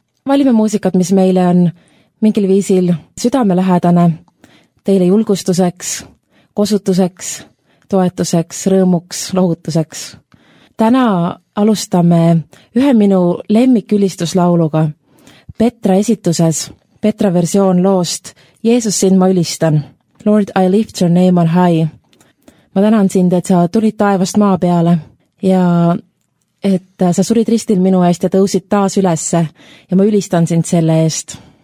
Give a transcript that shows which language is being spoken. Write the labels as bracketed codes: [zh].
[et] Valime muusikat, mis meile on mingil viisil südamelähedane teile julgustuseks, kosutuseks, toetuseks, rõõmuks, lohutuseks. Täna alustame ühe minu lemmikülistuslauluga. Petra esituses, Petra versioon loost Jeesus sind ma ülistan. [en] Lord, I lift your name on high. [et] Ma tänan sind, et sa tulid taevast maa peale ja et sa surid ristil minu eest ja tõusid taas ülesse ja ma ülistan sind selle eest.